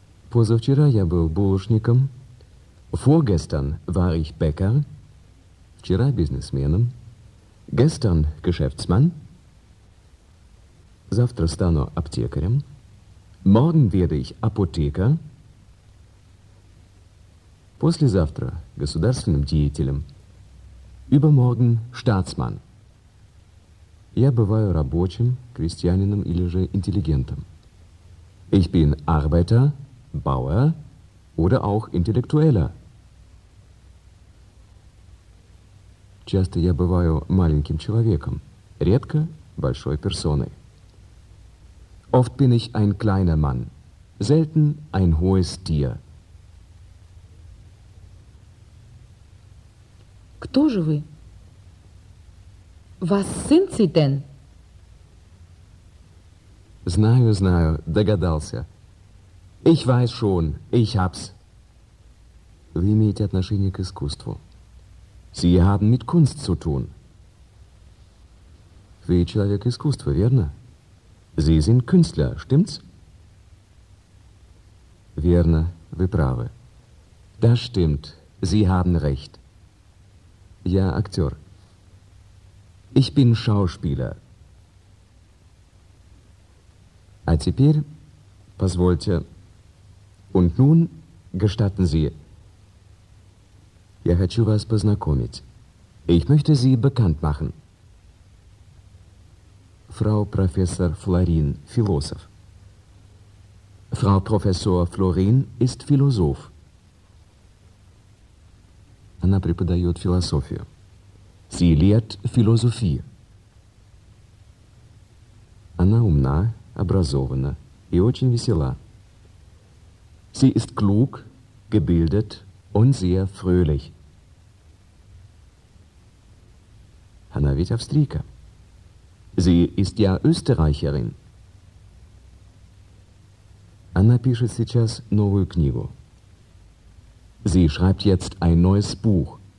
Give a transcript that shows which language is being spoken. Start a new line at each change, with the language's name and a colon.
Russian: Позавчера я был булочником.
German: Vorgestern war ich Bäcker.
Russian: Вчера бизнесменом.
German: Gestern Geschäftsmann.
Russian: Завтра стану аптекарем.
German: Morgen werde ich Apotheker.
Russian: Послезавтра государственным деятелем.
German: Übermorgen Staatsmann.
Russian: Я бываю рабочим, крестьянином или же интеллигентом.
German: Ich bin Arbeiter, Bauer oder auch Intellektueller.
Russian: Часто я бываю маленьким человеком, редко большой персоной.
German: Oft bin ich ein kleiner Mann, selten ein hohes Tier.
Russian: Кто же вы?
German: Was sind Sie denn?
Russian: Знаю, знаю, догадался.
German: Ich weiß schon, ich hab's.
Russian: Вы имеете отношение к искусству.
German: Sie haben mit Kunst zu tun.
Russian: Вы человек искусства, верно?
German: Sie sind Künstler, stimmt's?
Russian: Верно, вы правы.
German: Das stimmt, Sie haben recht.
Russian: Я актер.
German: Ich bin Schauspieler.
Russian: А теперь, позвольте,
German: und nun gestatten Sie.
Russian: Я хочу вас познакомить.
German: Ich möchte Sie bekannt machen. Frau Professor Florin, Philosoph. Frau Professor Florin ist Philosoph.
Russian: Она преподает философию.
German: Sie lehrt Philosophie.
Russian: Она умна, образована и очень весела.
German: Sie ist klug, gebildet und sehr fröhlich.
Russian: Она ведь австрийка.
German: Sie ist ja Österreicherin.
Russian: Она пишет сейчас новую книгу.
German: Sie schreibt jetzt ein neues Buch.